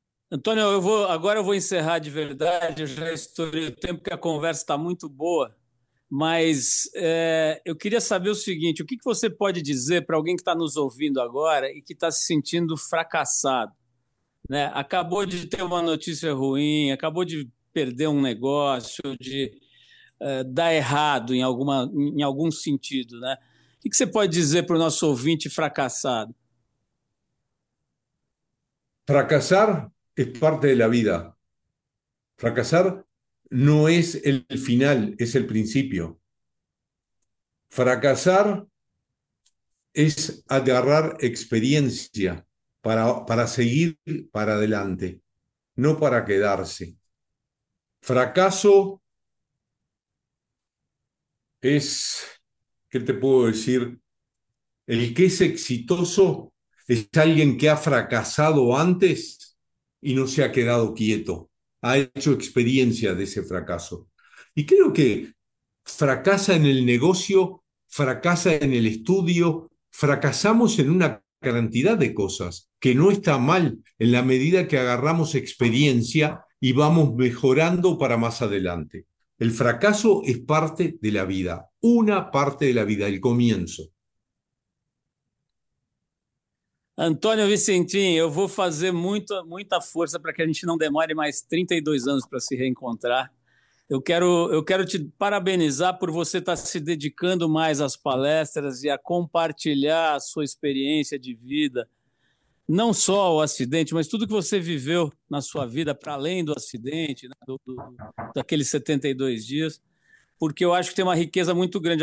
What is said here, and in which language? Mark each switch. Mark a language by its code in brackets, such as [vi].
[pt] Antônio, agora eu vou encerrar de verdade. Eu já estourei o tempo que a conversa está muito boa, mas eu queria saber o seguinte: o que que você pode dizer para alguém que está nos ouvindo agora e que está se sentindo fracassado, né? Acabou de ter uma notícia ruim, acabou de perder um negócio, de dar errado em algum sentido, né? O que que você pode dizer para o nosso ouvinte fracassado? [es] Fracasar es parte de la vida. Fracasar no es el final, es el principio. Fracasar es agarrar experiencia para seguir para adelante, no para quedarse. Fracaso es, ¿qué te puedo decir? El que es exitoso es alguien que ha fracasado antes y no se ha quedado quieto. Ha hecho experiencia de ese fracaso. Y creo que fracasa en el negocio, fracasa en el estudio, fracasamos en una cantidad de cosas, que no está mal en la medida que agarramos experiencia y vamos mejorando para más adelante. El fracaso es parte de la vida, una parte de la vida, el comienzo. [pt] Antônio Vicentim, eu vou fazer muita força para que a gente não demore mais 32 anos para se reencontrar. Eu quero te parabenizar por você estar se dedicando mais às palestras e a compartilhar a sua experiência de vida, não só o acidente, mas tudo que você viveu na sua vida, para além do acidente, né, daqueles 72 dias, porque eu acho que tem uma riqueza muito grande.